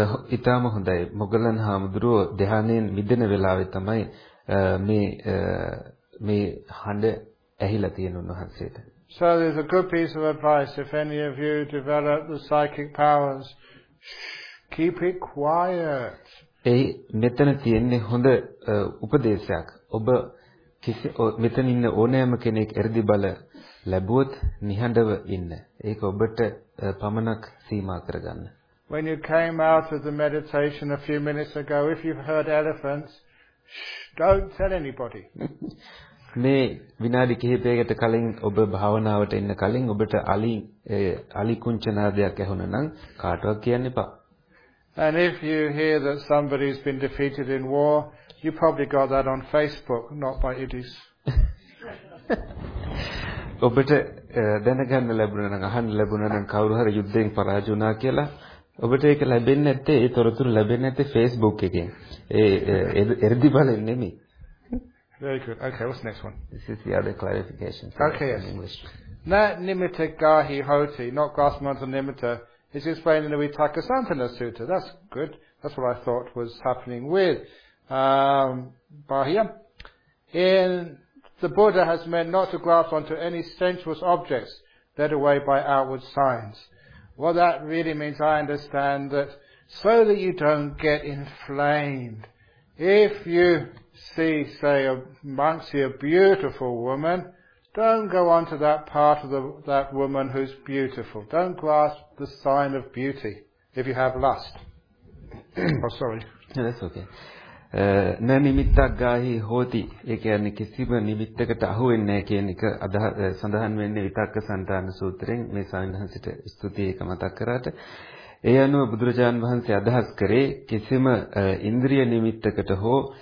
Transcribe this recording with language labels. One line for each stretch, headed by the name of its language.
Sinhala: ඉතාම හොඳයි. මොගලන් හාමුදුරුව ධ්‍යානයෙන් මිදෙන වෙලාවේ තමයි මේ හඬ ඇහිලා තියෙන උන්වහන්සේට.
English: So there's a good piece of advice. If any of you develop the psychic powers, keep it quiet.
Sinhala: ඒ මෙතන තියෙන්නේ හොඳ උපදේශයක්. ඔබ කිසි මෙතන ඉන්න ඕනෑම කෙනෙක් එරිදි බල ලැබුවොත් නිහඬව ඉන්න. ඒක ඔබට පමණක් සීමා කරගන්න.
English: When you came out of the meditation a few minutes ago, if you've heard elephants, don't tell anybody.
Sinhala: මේ විනාඩි කිහිපයකට කලින් ඔබ භාවනාවට ඉන්න කලින් ඔබට අලි කුංචනාදයක් ඇහුණා නම් කාටවත් කියන්න එපා.
English: And if you hear that somebody's been defeated in war, you probably got that on Facebook, not by iddhis.
Sinhala: ඔබට දැනගන්න ලැබුණා නම් අහන්න ලැබුණා නම් කවුරු හරි යුද්ධයෙන් පරාජය වුණා කියලා. ඔබට ඒක ලැබෙන්නේ නැත්තේ ඒ තොරතුරු ලැබෙන්නේ නැත්තේ Facebook එකෙන්. ඒ එරිදි බලෙන් නෙමෙයි.
English: Very good. Okay, what's next one? This is the other clarification. Okay, yes.
Pali: Na nimitta gahi hoti,
English: not grasmanta nimitta, is explained in the Vitakasantana Sutta. That's good. That's what I thought was happening with Bahia. In the Buddha has meant not to grasp onto any sensuous objects led away by outward signs. Well, that really means I understand that so that you don't get inflamed. If you see, say, a monk see a beautiful woman, don't go on to that part of that woman who's beautiful. Don't grasp the sign of beauty if you have lust. Oh, sorry. No, that's okay.
Pali: Na nimitta gahi hoti,
Sinhala: ඒ කියන්නේ කිසිම නිමිත්තකට අහු වෙන්නේ නැහැ කියන එක සඳහන් වෙන්නේ විතක්ක සන්තාන සූත්‍රයෙන්. මේ සාන්දහසිට ස්තුතිය එක මතක් කරාට. ඒ අනුව බුදුරජාන් වහන්සේ අදහස් කරේ කිසිම ඉන්ද්‍රිය නිමිත්තකට හෝ